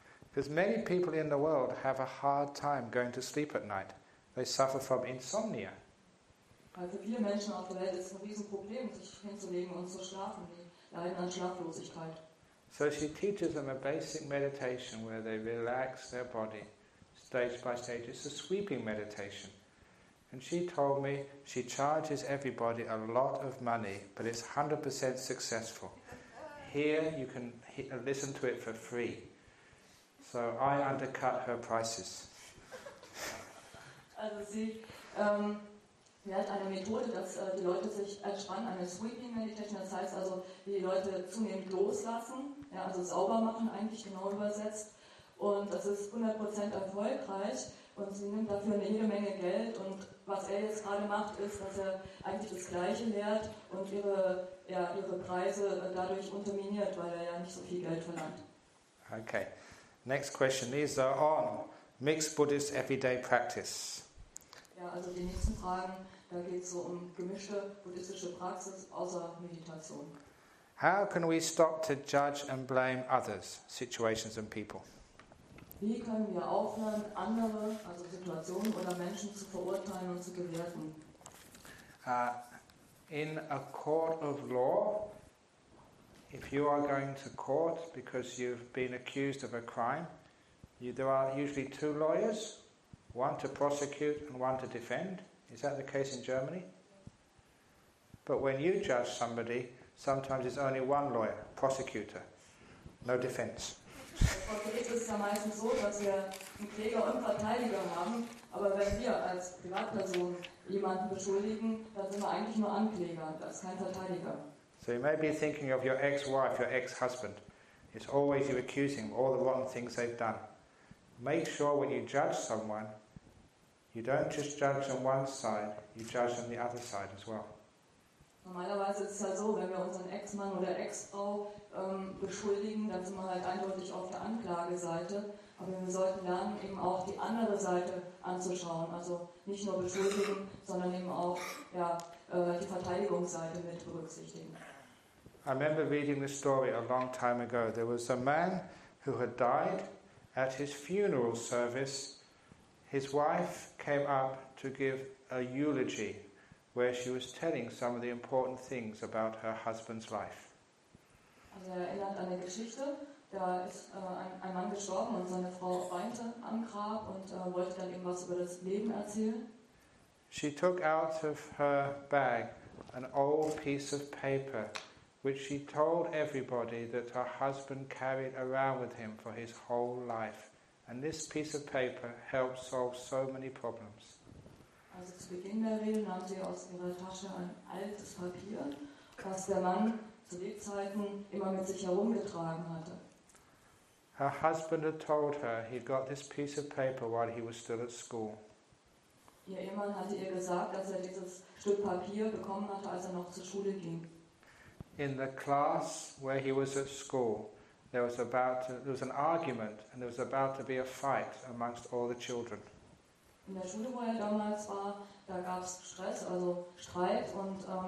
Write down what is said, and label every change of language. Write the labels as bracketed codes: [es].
[en] Because many people in the world have a hard time going to sleep at night. They suffer from insomnia. [de] Also viele Menschen auf der Welt ist ein Riesenproblem, sich hinzulegen und zu schlafen. Die leiden an Schlaflosigkeit. [en] So she teaches them a basic meditation where they relax their body stage by stage. It's a sweeping meditation. And she told me she charges everybody a lot of money, but it's 100% successful. Here you can listen to it for free. So I undercut her prices. [de] Also sie hat eine Methode, dass die Leute sich entspannen, eine [en] sweeping meditation, [de] das heißt also, wie die Leute zunehmend loslassen, ja, also sauber machen eigentlich genau übersetzt, und das ist 100% erfolgreich und sie nimmt dafür eine jede Menge Geld, und was er jetzt gerade macht, ist, dass er eigentlich das Gleiche lehrt und ihre Preise dadurch unterminiert, weil er ja nicht so viel Geld verlangt. Okay. [en] Next question is on mixed Buddhist everyday practice. [de] Ja, also die nächsten Fragen, da geht es so um gemischte buddhistische Praxis außer Meditation. [en] How can we stop to judge and blame others, situations and people? [de] Wie können wir aufhören, andere, also Situationen oder Menschen zu verurteilen und zu bewerten? [en] In a court of law, if you are going to court because you've been accused of a crime, there are usually two lawyers, one to prosecute and one to defend. Is that the case in Germany? But when you judge somebody, sometimes it's only one lawyer, prosecutor, no defense. [de] Okay, es ist ja meistens so, dass wir einen Kläger und Verteidiger haben, aber wenn wir als Privatperson jemanden beschuldigen, dann sind wir eigentlich nur Ankläger, das ist kein Verteidiger. [en] So you may be thinking of your ex-wife, your ex-husband. It's always you accusing all the wrong things they've done. Make sure when you judge someone, you don't just judge on one side, you judge on the other side as well. [de] Normalerweise ist es halt so, wenn wir unseren Ex-Mann oder Ex-Frau beschuldigen, dann sind wir halt eindeutig auf der Anklageseite. Aber wir sollten lernen, eben auch die andere Seite anzuschauen. Also nicht nur beschuldigen, sondern eben auch die Verteidigungsseite mit berücksichtigen. [en] I remember reading this story a long time ago. There was a man who had died. At his funeral service, his wife came up to give a eulogy where she was telling some of the important things about her husband's life. [de] Also er erinnert an eine Geschichte, da ist ein Mann gestorben und seine Frau weinte am Grab und wollte dann eben was über das Leben erzählen. [en] She took out of her bag an old piece of paper, which she told everybody that her husband carried around with him for his whole life. And this piece of paper helped solve so many problems. [de] Also zu Beginn der Rede nahm sie aus ihrer Tasche ein altes Papier, was der Mann zu Lebzeiten immer mit sich herumgetragen hatte. [en] Her husband had told her he got this piece of paper while he was still at school. [de] Ihr Ehemann hatte ihr gesagt, dass er dieses Stück Papier bekommen hatte, als er noch zur Schule ging. [en] In the class where he was at school, there was an argument and there was about to be a fight amongst all the children. [de] In der Schule, wo er damals war, da gab es Stress, also Streit und